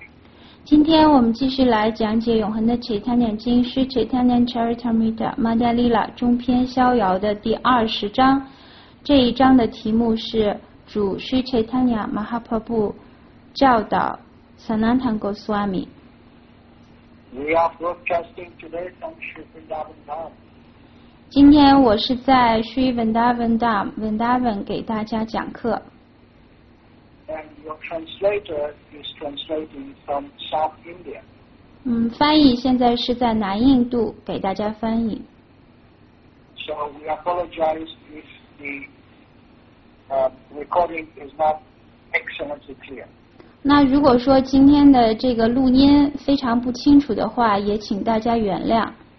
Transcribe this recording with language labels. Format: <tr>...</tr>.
<en>Today, we will continue to discuss the Chaitanya Jing, Sri Chaitanya Charitamrita, Madhya Lila,</en> <zh>中篇逍遥的第二十章。这一章的题目是主 Sri Chaitanya Mahaprabhu 教导 Sanatana Goswami.</zh> <en>We are broadcasting today from Sri Vrindavan Dham.</en> <zh>今天我是在 Sri Vrindavan Dham, Vrindavan 给大家讲课。</zh> <en>And your translator is translating from South India.</en> <zh>翻译现在是在南印度给大家翻译。</zh> <en>So we apologize if the recording is not excellently clear.</en> <zh>那如果说今天的这个录音非常不清楚的话，也请大家原谅。</zh>